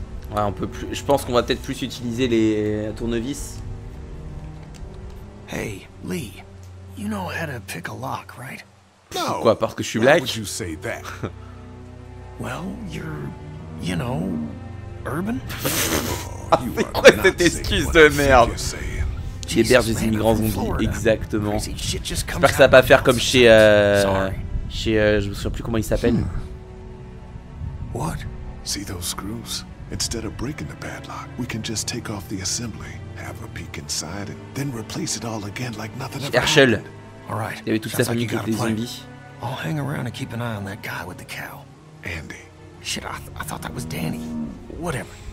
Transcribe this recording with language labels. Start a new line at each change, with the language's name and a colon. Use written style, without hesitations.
French: Ouais, on peut plus, je pense qu'on va peut-être plus utiliser les tournevis.
English: Hey, Lee, you know how to pick a lock, right?
French: No. Quoi, parce que je suis black?
English: Why would you say that? Well, you're, you know, urban.
French: Oh, you cette excuse de merde. Tu héberges des immigrants zombies, exactement. J'espère que ça va pas faire comme chez je me souviens plus comment il s'appelle.
English: What? See those screws? Instead of breaking the padlock, we can just take off the assembly, have a peek inside, and then replace it all again like nothing ever happened. Alright, sounds like you got a plan. I'll hang around and keep an eye on that guy with the cow. Andy. Shit, I thought that was Danny. Whatever.